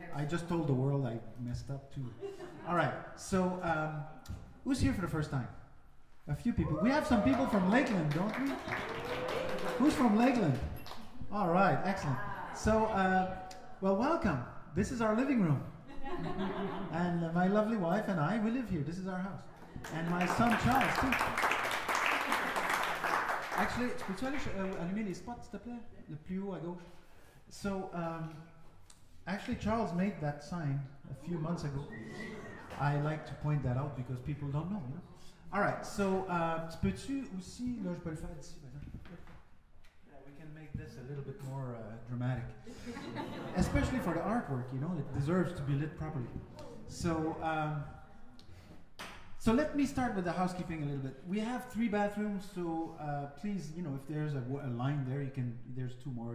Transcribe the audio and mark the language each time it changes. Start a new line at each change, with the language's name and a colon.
English: I just told the world I messed up too. All right. So who's here for the first time? A few people. We have some people from Lakeland, don't we? Who's from Lakeland? All right. Excellent. So, well, welcome. This is our living room. And my lovely wife and I, we live here. This is our house. And my son Charles, too.
French: Actually, peux-tu allumer les spots, s'il te plaît? Le plus haut à gauche.
English: So, actually, Charles made that sign a few months ago. I like to point that out because people don't know. Yeah? All right, so,
French: peux-tu aussi, là, je peux le faire ici, par exemple.
English: Yeah, we can make this a little bit more dramatic. Especially for the artwork, you know, it deserves to be lit properly. So, so let me start with the housekeeping a little bit. We have three bathrooms, so please, you know, if there's a line there, you can. There's two more.